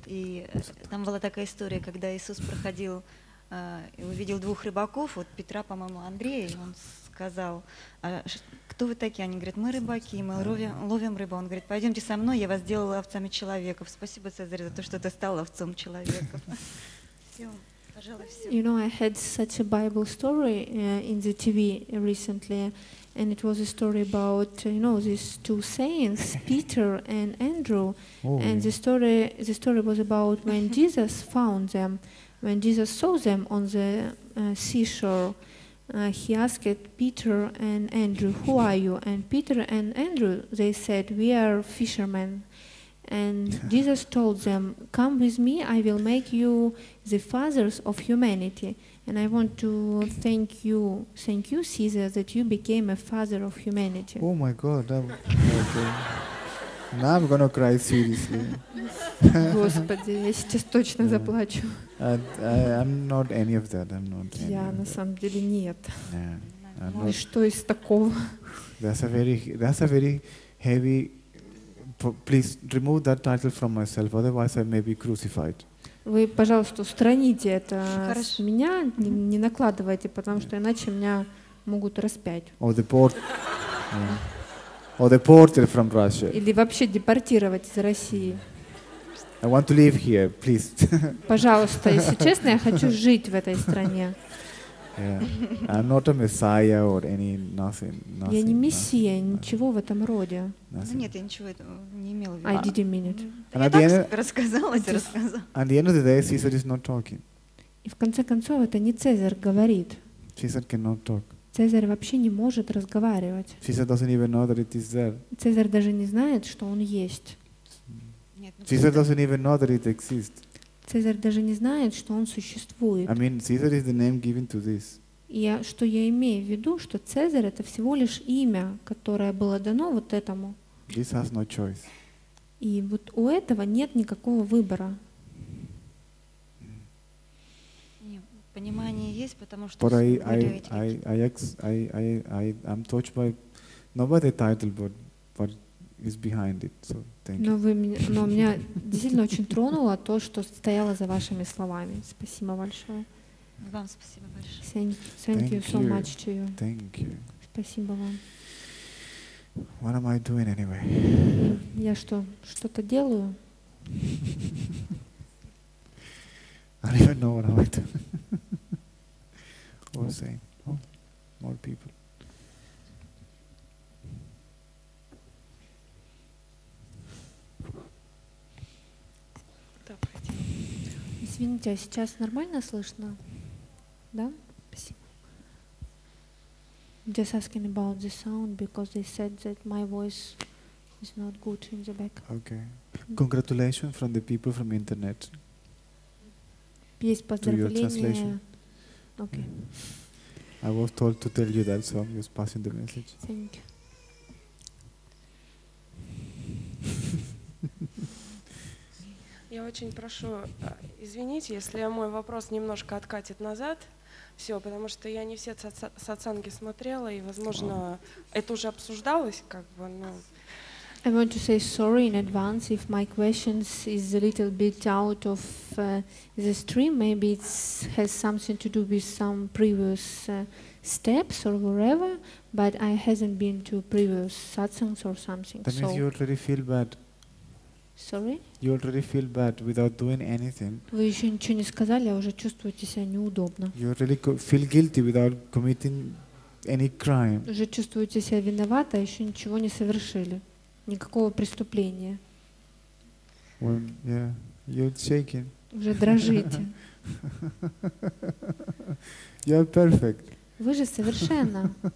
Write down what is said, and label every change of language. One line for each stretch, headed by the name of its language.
Russian: И там была такая история, когда Иисус проходил и увидел двух рыбаков, вот Петра, по-моему, Андрея, и он сказал, кто вы такие? Они говорят, мы рыбаки, мы ловим рыбу. Он говорит, пойдемте со мной, я вас сделала овцами человеков. Спасибо, Цезарь, за то, что ты стал овцом человеков. Все.
English: You know, I had such a Bible story in the TV recently, and it was a story about, you know, these two saints, Peter and Andrew. Oh, and yeah. The story was about when Jesus found them, when Jesus saw them on the seashore, he asked Peter and Andrew, who are you? And Peter and Andrew, they said, we are fishermen. And Jesus told them, come with me, I will make you the fathers of humanity. And I want to thank you, Caesar, that you became a father of humanity. Oh my God, okay. Now I'm going to cry seriously.
Russian: Господи, я сейчас точно заплачу.
English: I'm not any of that, I'm not any
Russian: Я на самом
English: that.
Russian: Деле нет.
English: Yeah,
Russian: и что из такого?
English: That's a very heavy... Please remove that title from myself, otherwise I may be crucified.
Russian: Вы, пожалуйста, устраните это с меня, не накладывайте, потому что иначе меня могут распять.
English: Or deported from Russia.
Russian: Или вообще депортировать из России.
English: I want to live here, please.
Russian: Пожалуйста, если честно, я хочу жить в этой стране.
English: Yeah. I'm not a messiah or any nothing.
Russian: Я не мессия, ничего в этом роде. Нет, я ничего этого не имела в виду.
English: I didn't mean it.
Russian: Я рассказала.
English: At the end of the day, Caesar is not talking.
Russian: И в конце концов, это не Цезарь говорит.
English: Caesar cannot talk.
Russian: Цезарь вообще не может разговаривать.
English: Caesar doesn't even know that it is there.
Russian: Цезарь даже не знает, что он есть.
English: Caesar doesn't even know that it exists.
Russian: Цезарь даже не знает, что он существует.
English: I mean, Caesar is the name given to this.
Russian: Я, что я имею в виду, что Цезарь — это всего лишь имя, которое было дано вот этому.
English: This has no choice.
Russian: И вот у этого нет никакого выбора. Понимание есть, потому что...
English: I'm touched by Not by the title, but what is behind it. So thank you.
Russian: Но меня действительно очень тронуло то, что стояло за вашими словами. Спасибо большое. Вам спасибо большое.
English: Thank you so much to you. Thank you.
Russian: Спасибо вам.
English: What am I doing anyway?
Russian: Я что-то делаю?
English: I don't even know what I'm doing. What was saying? Oh, more people.
Russian: Извините, а сейчас нормально слышно? Да?
English: Just asking about the sound because they said that my voice is not good in the back. Okay. Congratulations from the people from the internet.
Russian: Есть поздравления. Okay.
English: Yeah. I was told to tell you that, so I'm just passing the message. Thank you.
Russian: Я очень прошу, извините, если мой вопрос немножко откатит назад. Все, потому что я не все сатсанги смотрела, и, возможно, это уже обсуждалось, как бы, но...
English: I want to say sorry in advance if my questions is a little bit out of the stream. Maybe it has something to do with some previous steps or whatever, but I hasn't been to previous satsangs or something. That means you already feel bad. Sorry? You already feel bad without doing anything.
Russian: Вы еще ничего не сказали, а уже чувствуете себя неудобно.
English: You already feel guilty without committing any crime.
Russian: Уже чувствуете себя виновата, еще ничего не совершили, никакого преступления.
English: Well, yeah, you're shaking.
Russian: Уже дрожите.
English: You're perfect.
Russian: Вы же совершенно.